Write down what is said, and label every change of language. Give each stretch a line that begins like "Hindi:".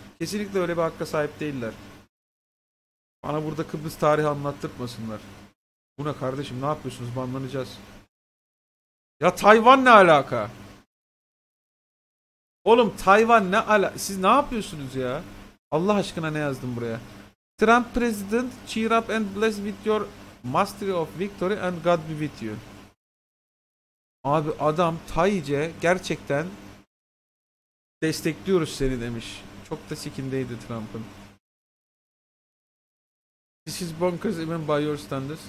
Turkish: Kesinlikle öyle bir hakka sahip değiller. Bana burada Kıbrıs tarihi anlattırmasınlar. Bu ne kardeşim ne yapıyorsunuz? Banlanacağız. Ya Tayvan ne alaka? Oğlum Tayvan ne alaka? Siz ne yapıyorsunuz ya? Allah aşkına ne yazdım buraya?
English: Trump President, cheer up and bless with your Mastery of Victory and God be with you.
Turkish: Abi adam Tayice gerçekten destekliyoruz seni demiş. Çok da sikindeydi Trump'ın.
English: This is bonkers even by your standards.